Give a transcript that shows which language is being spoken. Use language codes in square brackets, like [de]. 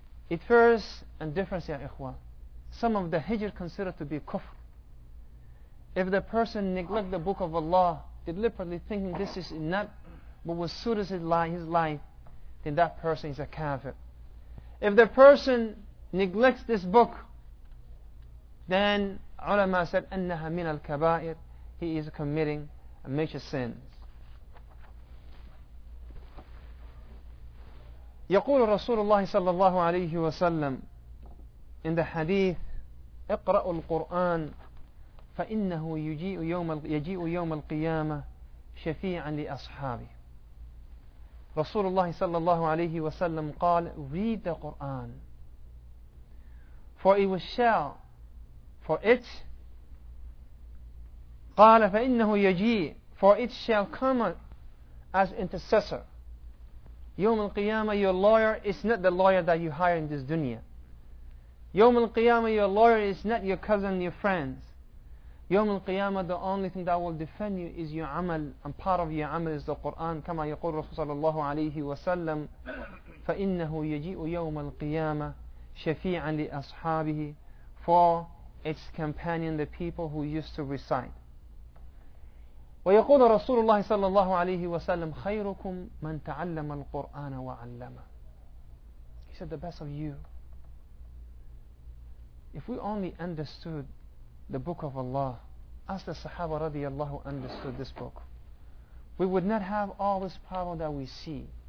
[en] It differs and difference [ar] يا إخوة [en] Some of the hijrah considered to be kufr If the person neglect the book of Allah deliberately thinking this is not what was suited his life then that person is a kafir If the person neglects this book then ulama said [ar] أنها من الكبائر [en] He is committing a major sin. [ar] يقول رسول الله صلى الله عليه وسلم [en] in the hadith [ar] اقرأوا القرآن فإنه يجيء يوم القيامة شفيعا لأصحابه رسول الله صلى الله عليه وسلم قال [en] read the Quran for it [ar] will shall for it قال فإنه يجيء [en] For it shall come as intercessor. [ar] يوم القيامة, [en] your lawyer is not the lawyer that you hire in this dunya. [ar] يوم القيامة, [en] your lawyer is not your cousin, your friends. يوم القيامة, the only thing that will defend you is your amal, and part of your amal is the Quran. [ar] كما يقول رسول صلى الله عليه وسلم فإنه يجيء يوم القيامة شفيعا لأصحابه [en] for its companion, the people who used to recite. [ar] ويقول رسول الله صلى الله عليه وسلم خيركم من تعلم القرآن وعلمه [en] He said the best of you If we only understood the book of Allah as the Sahaba [ar] رضي الله [en] understood this book We would not have all this power that we see